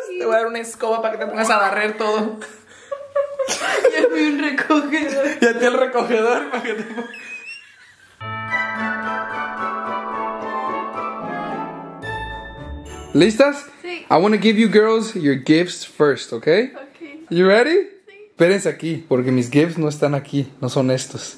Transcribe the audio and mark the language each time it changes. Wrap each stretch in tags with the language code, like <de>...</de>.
<es>Sí. Te voy a dar una escoba para que te pongas a barrer todo. Y a mí un recogedor. Y a ti el recogedor para que te pongas. ¿Listas? Sí.</es> <en>I want to give you girls your gifts first, okay? Okay. You ready?</en> <es>Sí. Espérense aquí, porque mis gifts no están aquí, no son estos.</es>